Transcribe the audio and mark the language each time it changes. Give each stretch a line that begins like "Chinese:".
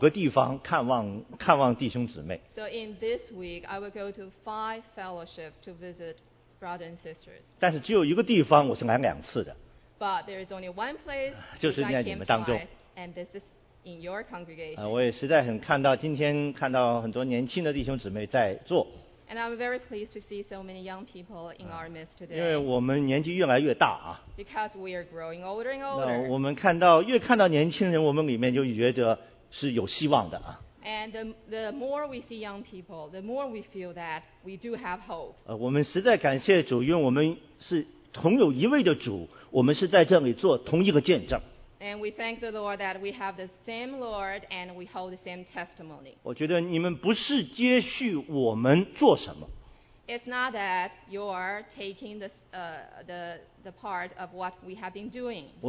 Chinese: 所以这一个星期里面，我要到五个地方看望弟兄姊妹。
English: So in this week, I will go to 5 fellowships to visit brothers and sisters.
Chinese: 但是只有一个地方，我是来两次的。
English: But there is only one place.
Chinese: 就是在你们当中。
English: And this is in your congregation.
Chinese: 我也实在很看到今天看到很多年轻的弟兄姊妹在做。
English: And I'm very pleased to see so many young people in our midst today.
Chinese: 因为我们年纪越来越大啊。
English: Because we are growing older and older.
Chinese: 我们看到越看到年轻人，我们里面就觉得是有希望的啊。
English: And the more we see young people, the more we feel that we do have hope.
Chinese: 我们实在感谢主，因为我们是同有一位的主。我们是在这里做同一个见证。
English: And we thank the Lord that we have the same Lord and we hold the same testimony.
Chinese: 我觉得你们不是接续我们做什么。
English: It's not that you're taking the part of what we have been doing.